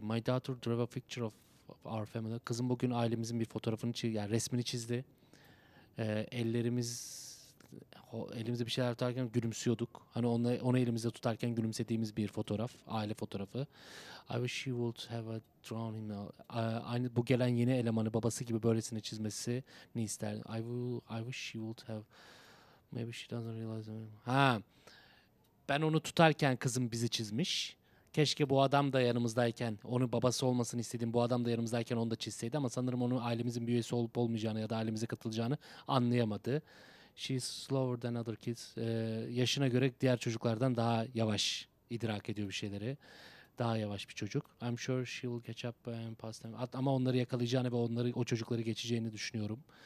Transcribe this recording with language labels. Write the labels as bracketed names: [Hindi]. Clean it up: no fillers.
[English] My daughter drew a picture of our family. [Turkish] Kızım bugün ailemizin bir fotoğrafını çizdi, yani resmini çizdi. Elimizde bir şeyler tutarken gülümsüyorduk. Hani onu elimizde tutarken gülümsediğimiz bir fotoğraf, aile fotoğrafı. [English] I wish she would have drawn him. [Turkish] Aynı bu gelen yeni elemanı babası gibi böylesine çizmesini isterdim. [English] I wish she would have. Maybe she doesn't realize him. Ha. [Turkish] Ben onu tutarken kızım bizi çizmiş. Keşke bu adam da yanımızdayken, onun babası olmasını istediğim bu adam da yanımızdayken onu da çizseydi. Ama sanırım onun ailemizin bir üyesi olup olmayacağını ya da ailemize katılacağını anlayamadı. [English] She's slower than other kids. [Turkish] Yaşına göre diğer çocuklardan daha yavaş idrak ediyor bir şeyleri. Daha yavaş bir çocuk. [English] I'm sure she'll catch up and pass them. [Turkish] Ama onları yakalayacağını ve onları, o çocukları geçeceğini düşünüyorum.